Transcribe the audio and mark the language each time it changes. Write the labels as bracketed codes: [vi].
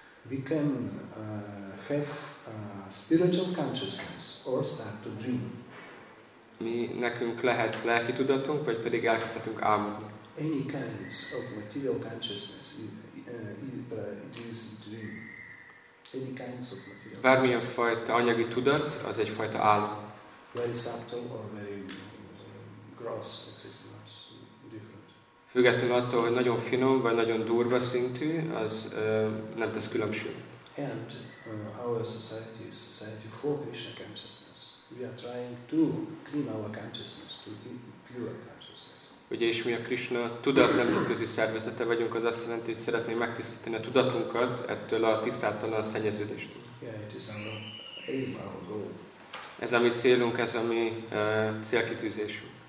[en] We can have spiritual consciousness or start to dream. [hu] Mi nekünk lehet lelki tudatunk, vagy pedig elkezdhetünk álmodni. [en] Any kinds of material consciousness, it is dream. Any kinds of material. [hu] Bármilyen fajta anyagi tudat, az egy fajta álom. [en] Very subtle or very gross, it is not different. [hu] Függetlenül attól, hogy nagyon finom vagy nagyon durva szintű, az nem tesz különbség. [en] And our society is society for Krishna consciousness. We are trying to clean our consciousness to pure consciousness. [hu] Ugye is mi a Krishna tudat nemzetközi szervezete vagyunk, az azt jelenti, hogy szeretnénk megtisztítani a tudatunkat ettől a tisztátalan szennyeződéstől. [en] Yeah, it is our aim, our goal. [hu] Ez a mi célunk, ez a mi célkitűzésünk.